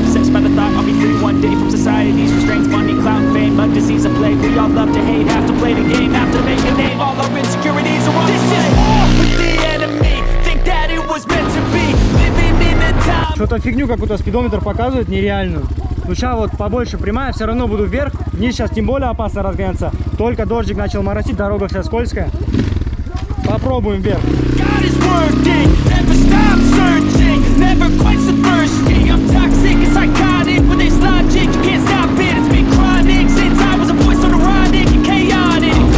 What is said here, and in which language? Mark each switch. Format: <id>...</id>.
<en>By the thought I'll be free one day from society's restraints. Money, clout, fame, a disease, a plague. We all love to hate, have to play the game, have to make a name. All our insecurities are on display. This is war with the enemy. Think that it was meant to be. Living in the time.</en> <ru>Что-то фигню какую-то спидометр показывает нереальную. Ну сейчас вот побольше прямая, все равно буду вверх. Вниз сейчас тем более опасно разгоняться. Только дождик начал моросить, дорога вся скользкая. Попробуем вверх.</ru> <en>God is working, never stop searching. Never quite so thirsty. I'm toxic and psychotic with this logic. You can't stop it, it's been chronic. Since I was a boy, so neurotic and chaotic.</en>